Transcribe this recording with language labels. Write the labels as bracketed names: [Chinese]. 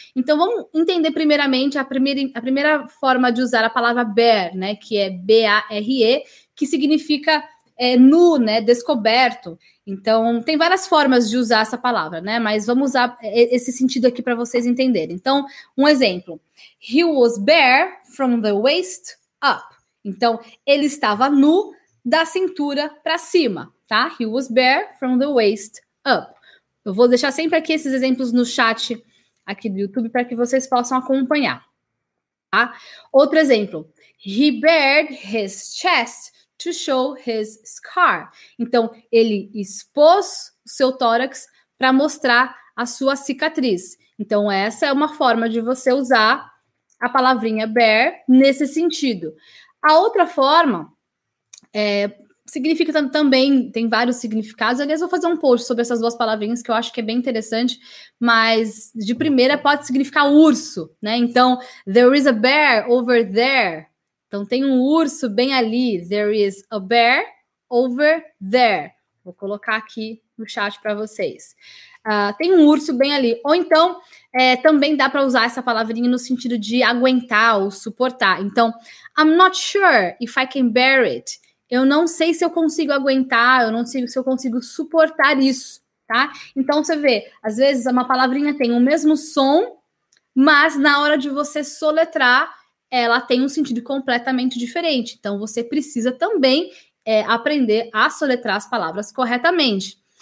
[Portuguese] Então, vamos entender primeiramente a primeira forma de usar a palavra bear, né? Que é B-A-R-E, que significa nu, né? Descoberto. Então, tem várias formas de usar essa palavra, né? Mas vamos usar esse sentido aqui para vocês entenderem. Então, um exemplo. [English] He was bare from the waist up. [Portuguese] Então, ele estava nu da cintura para cima, tá? [English] He was bare from the waist up. [Portuguese] Eu vou deixar sempre aqui esses exemplos no chat aqui do YouTube para que vocês possam acompanhar, tá? Outro exemplo. [English] He bared his chest to show his scar. [Portuguese] Então, ele expôs o seu tórax para mostrar a sua cicatriz. Então, essa é uma forma de você usar a palavrinha bear nesse sentido. A outra forma significa também, tem vários significados. Aliás, vou fazer um post sobre essas duas palavrinhas que eu acho que é bem interessante, mas de primeira pode significar urso, né? Então, [English] there is a bear over there. [Portuguese] Então, tem um urso bem ali. [English] There is a bear over there. [Portuguese] Vou colocar aqui no chat para vocês. Tem um urso bem ali. Ou então, também dá para usar essa palavrinha no sentido de aguentar ou suportar. Então, [English] I'm not sure if I can bear it. [Portuguese] Eu não sei se eu consigo aguentar, eu não sei se eu consigo suportar isso, tá? Então, você vê, às vezes uma palavrinha tem o mesmo som, mas na hora de você soletrar, ela tem um sentido completamente diferente. Então, você precisa também aprender a soletrar as palavras corretamente.